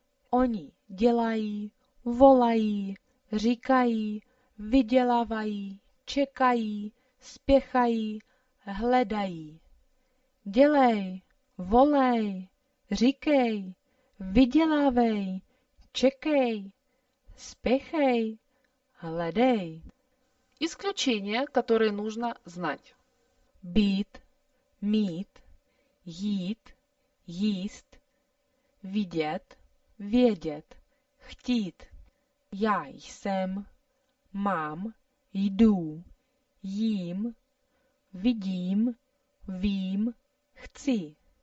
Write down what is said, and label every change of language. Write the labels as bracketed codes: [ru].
[cs] Oni dělají, volají, říkají, vydělávají, čekají, spěchají, hledají. Dělej, volej, říkej. Vydělávej, čekej, spěchej, hledej. [ru] Исключения, которые нужно знать. [cs] Být, мít, jít, jíst, vidět, vědět, chtít. Já jsem, mám, jdu, jím, vidím, vím, chci.